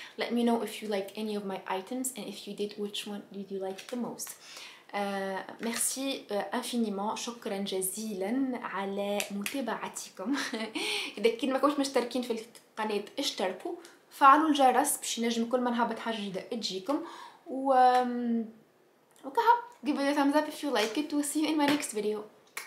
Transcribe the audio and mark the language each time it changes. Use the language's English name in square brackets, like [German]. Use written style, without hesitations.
[English] Let me know if you like any of my items and if you did, which one did you like the most. [French] Merci infiniment. [Arabic] شكرا جزيلا على متابعتكم. إذا كن ما كنتم مشتركين في القناة اشتركوا. فعلوا الجرس باش ينجم كل ما نهبط حاجة جديدة تجيكم. وكهو. [English] Give it a thumbs up if you like it. We'll see you in my next video.